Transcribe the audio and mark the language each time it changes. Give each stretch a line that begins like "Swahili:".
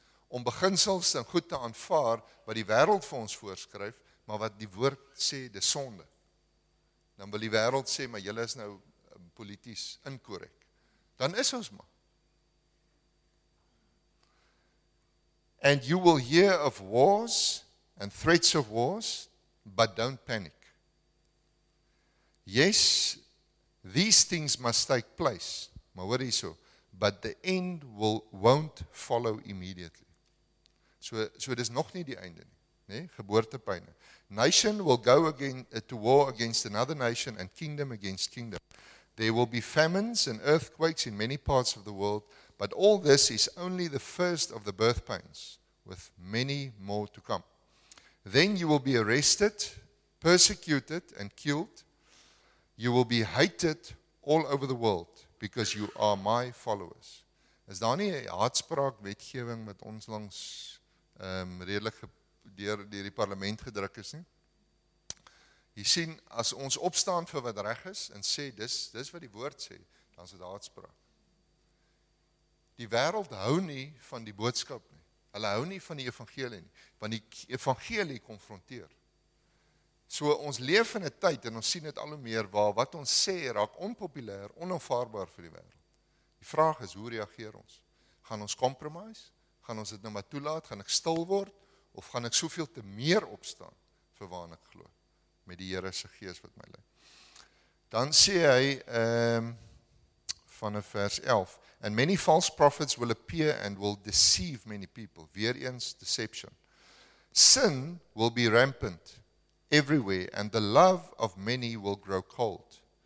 Afrikaans: Om beginsels en goed te aanvaar wat die wêreld vir ons voorskryf, maar wat die woord sê, dis sonde. Dan wil die wêreld sê, maar julle is nou polities inkorrek. Dan is ons maar.
English: And you will hear of wars and threats of wars, but don't panic. Yes, these things must take place,
Afrikaans: maar hoor hierso,
English: but the end won't follow immediately.
Afrikaans: So dis nog nie die einde nie. Nee, geboortepyne.
English: Nation will go to war against another nation and kingdom against kingdom. There will be famines and earthquakes in many parts of the world, but all this is only the first of the birth pains, with many more to come. Then you will be arrested, persecuted, and killed. You will be hated all over the world because you are my followers.
Afrikaans: Is daar nie 'n haatspraak wetgewing wat ons langs redelike deur die parlement gedruk is nie. Jy sien, as ons opstaan vir wat reg is, en sê, dis wat die woord sê, dan is dit haatspraak. Die wêreld hou nie van die boodskap nie. Hulle hou nie van die evangelie nie, want die evangelie konfronteer. So ons leef in 'n tyd, en ons sien dit al hoe meer, waar wat ons sê, raak onpopulair, onaanvaarbaar vir die wêreld. Die vraag is, hoe reageer ons? Gaan ons compromise? Gaan ons dit nou maar toelaat? Gaan ek stil word? Of gaan ek soveel te meer opstaan vir waarin ek glo, met die Here se Gees wat my lei. Dan sê hy van vers 11,
English: and many false prophets will appear and will deceive many people.
Afrikaans: Weereens
English: deception. Sin will be rampant everywhere and the love of many will grow cold.